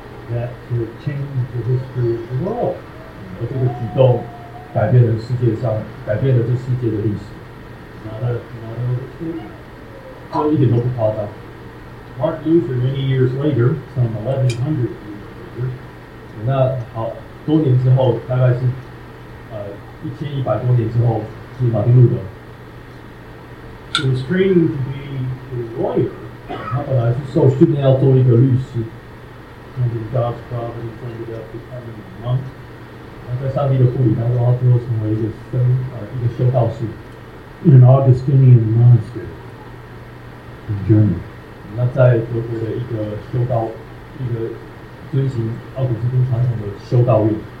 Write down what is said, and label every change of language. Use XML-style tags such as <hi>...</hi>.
<en>That could change the history of the world.</en> <zh>而这个举动改变了世界上，改变了这世界的历史。</zh> <en>Not a little bit.</en> <zh>一点都不夸张。</zh> <en>Martin Luther, many years later, some 1100years later.</en> <zh>那好多年之后，大概是1100多年之后，是马丁路德。</zh> <en>He was training to be a lawyer.</en> <zh>他本来是受训练要做一个律师。</zh> <en>And in God's providence, ended up becoming a monk.</en> <zh>那在上帝的护理当中，他最后成为一个修道士。</zh> <en>In an Augustinian monastery in Germany.</en> <zh>那在德国的一个修道，一个遵循奥古斯丁传统的修道院。</zh>